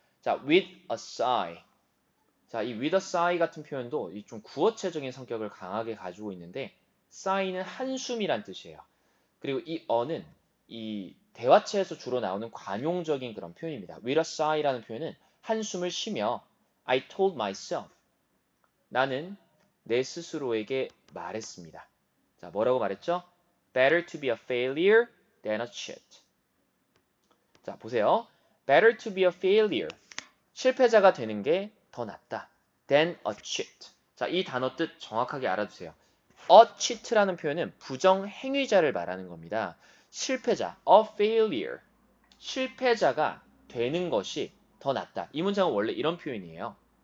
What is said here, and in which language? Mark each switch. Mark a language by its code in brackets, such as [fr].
[ko] 자, [en] with a sigh. [ko] 자, 이 with a sigh 같은 표현도 이좀 구어체적인 성격을 강하게 가지고 있는데, sigh는 한숨이란 뜻이에요. 그리고 이 어는 이 대화체에서 주로 나오는 관용적인 그런 표현입니다. With a sigh라는 표현은 한숨을 쉬며 [en] I told myself. [ko] 나는 내 스스로에게 말했습니다. 자, 뭐라고 말했죠? [en] Better to be a failure than a cheat. [ko] 자, 보세요. [en] Better to be a failure. [ko] 실패자가 되는 게더 낫다. [en] than a cheat. [ko] 자, 이 단어 뜻 정확하게 알아두세요. a cheat라는 표현은 부정행위자를 말하는 겁니다. 실패자, a failure. 실패자가 되는 것이 더 낫다. 이 문장은 원래 이런 표현이에요.